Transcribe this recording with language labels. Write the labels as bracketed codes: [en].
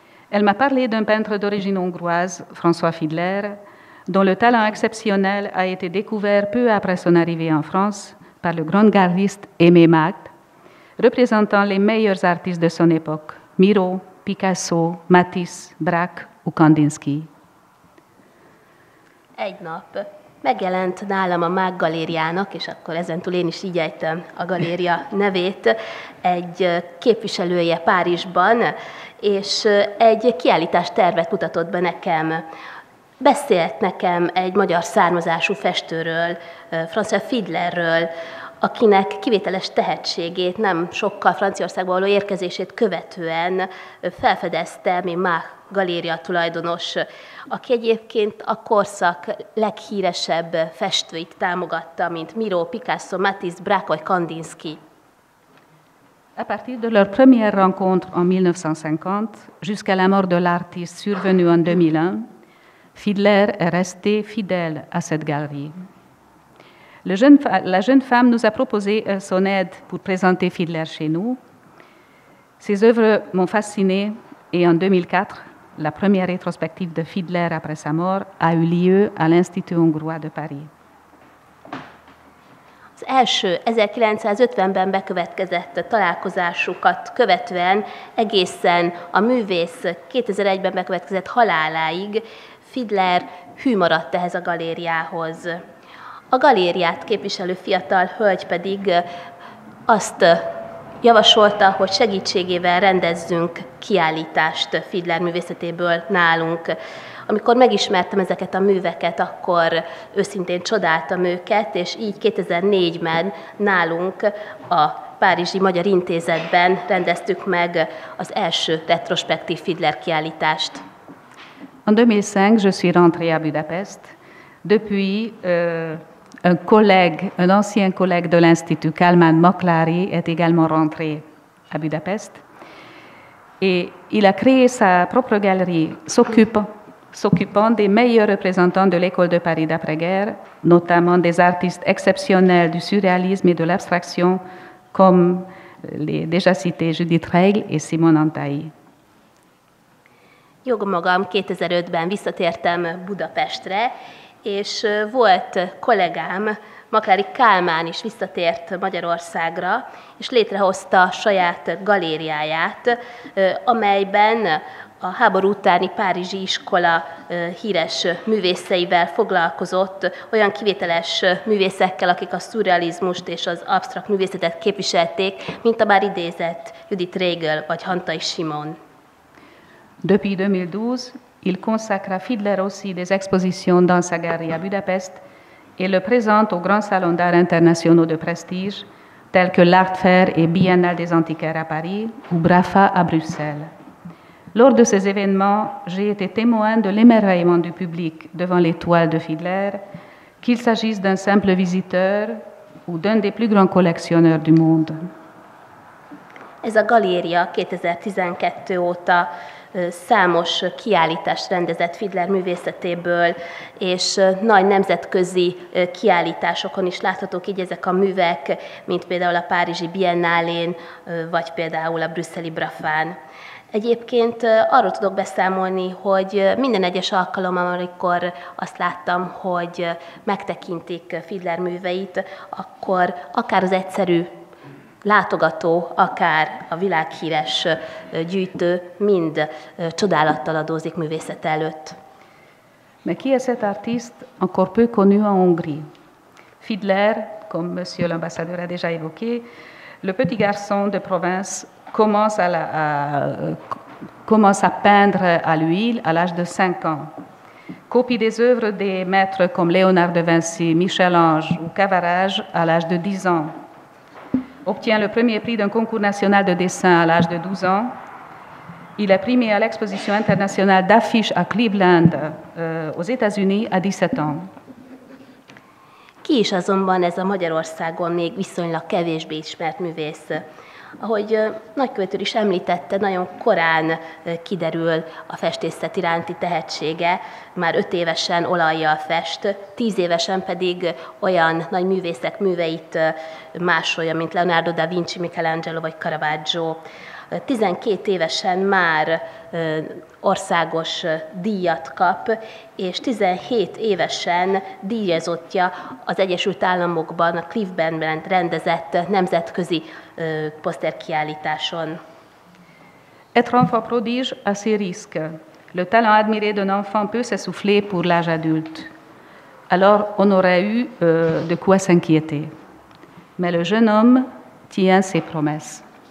[fr] Elle m'a parlé d'un peintre d'origine hongroise, François Fiedler, dont le talent exceptionnel a été découvert peu après son arrivée en France par le grand galeriste Aimé Magd, représentant les meilleurs artistes de son époque, Miro, Picasso, Matisse, Braque ou Kandinsky. [hu] Egy nap megjelent nálam a MÁG galériának, és akkor ezentúl én is így ejtem a galéria nevét, egy képviselője Párizsban, és egy kiállítás tervet mutatott be nekem. Beszélt nekem egy magyar származású festőről, François Fiedlerről, akinek kivételes tehetségét nem sokkal Franciaországba való érkezését követően felfedezte mi MÁG galéria tulajdonos, aki egyébként a korszak leghíresebb festőit támogatta, mint Miró, Picasso, Matisse, Braque vagy Kandinsky. [fr] À partir de leur première rencontre en 1950 jusqu'à la mort de l'artiste survenu en 2001, Fiedler est resté fidèle à cette galerie. La jeune femme nous a proposé son aide pour présenter Fiedler chez nous. Ses œuvres m'ont fascinée et en 2004, la première rétrospective de Fiedler après sa mort a eu lieu à l'Institut hongrois de Paris. [hu] Az első 1950-ben bekövetkezett találkozásukat követően egészen a művész 2001-ben bekövetkezett haláláig Fiedler hű maradt ehhez a galériához. A galériát képviselő fiatal hölgy pedig azt javasolta, hogy segítségével rendezzünk kiállítást Fiedler művészetéből nálunk. Amikor megismertem ezeket a műveket, akkor őszintén csodáltam őket, és így 2004-ben nálunk a Párizsi Magyar Intézetben rendeztük meg az első retrospektív Fiedler kiállítást. [fr] En 2005, je suis rentrée à Budapest. Depuis, un collègue, un ancien collègue de l'Institut, Kálmán Maklári, est également rentré à Budapest. Et il a créé sa propre galerie, s'occupant des meilleurs représentants de l'École de Paris d'après-guerre, notamment des artistes exceptionnels du surréalisme et de l'abstraction, comme les déjà cités Judith Reigl et Simone Antaï. [hu] Jogmagam 2005-ben visszatértem Budapestre, és volt kollégám, Maklári Kálmán is visszatért Magyarországra, és létrehozta saját galériáját, amelyben a háború utáni párizsi iskola híres művészeivel foglalkozott, olyan kivételes művészekkel, akik a szurrealizmust és az absztrakt művészetet képviselték, mint a már idézett Judith Reigl vagy Hantai Simon. [fr] Depuis 2012, il consacre à Fiedler aussi des expositions dans sa galerie à Budapest et le présente aux grands salons d'art internationaux de prestige, tels que l'Art Fair et Biennale des Antiquaires à Paris ou BRAFA à Bruxelles. Lors de ces événements, j'ai été témoin de l'émerveillement du public devant les toiles de Fiedler, qu'il s'agisse d'un simple visiteur ou d'un des plus grands collectionneurs du monde. [hu] Ez a galéria 2012 óta számos kiállítást rendezett Fiedler művészetéből, és nagy nemzetközi kiállításokon is láthatók így ezek a művek, mint például a párizsi Biennálén, vagy például a brüsszeli BRAFA-n. Egyébként arról tudok beszámolni, hogy minden egyes alkalommal, amikor azt láttam, hogy megtekintik Fiedler műveit, akkor akár az egyszerű látogató, akár a világhíres gyűjtő mind csodálattal adózik művészete előtt. [fr] Mais qui est cet artiste encore peu connu en Hongrie? Fiedler, comme monsieur l'ambassadeur a déjà évoqué, le petit garçon de province commence à peindre à l'huile à l'âge de 5 ans. Copie des œuvres des maîtres comme Léonard de Vinci, Michel-Ange ou Cavaradze à l'âge de 10 ans. Obtient le premier prix d'un concours national de dessin à l'âge de 12 ans. Il est primé à l'exposition internationale d'affiches à Cleveland, aux États-Unis, à 17 ans. [hu] Qui is azonban ez a Magyarországon még viszonylag kevésbé ismert művész? Ahogy nagykövetőr is említette, nagyon korán kiderül a festészet iránti tehetsége, már 5 évesen olajjal fest, 10 évesen pedig olyan nagy művészek műveit másolja, mint Leonardo da Vinci, Michelangelo vagy Caravaggio. 12 évesen már országos díjat kap, és 17 évesen díjazottja az Egyesült Államokban a Cleveland rendezett nemzetközi poszterkiállításon. [fr] Être enfant prodige a ses risques. Le talent admiré d'un enfant peut s'essouffler pour l'âge adulte. alors on aurait eu de quoi s'inquiéter. Mais le jeune homme tient ses promesses.